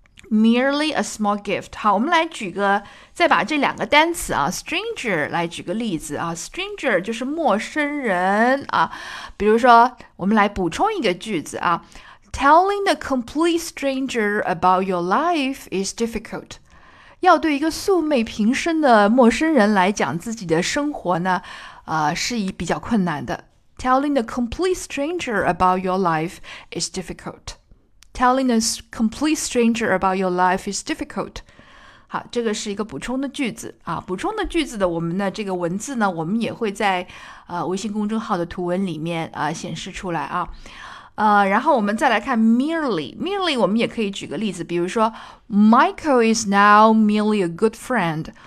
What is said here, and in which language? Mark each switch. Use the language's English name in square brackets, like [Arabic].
[English] Merely a small gift。 [Chinese] 好，我们来举个，再把这两个单词啊，stranger 来举个例子啊，stranger 就是陌生人啊。比如说，我们来补充一个句子啊， [English] Telling a complete stranger about your life is difficult。 [Chinese] 要对一个素昧平生的陌生人来讲自己的生活呢，是比较困难的。 [English] Telling a complete stranger about your life is difficult. Telling a complete stranger about your life is difficult. [Chinese] 好，这个是一个补充的句子啊。补充的句子的，我们的这个文字呢，我们也会在微信公众号的图文里面显示出来啊。然后我们再来看 merely，merely 我们也可以举个例子，比如说 [English] Michael is now merely a good friend。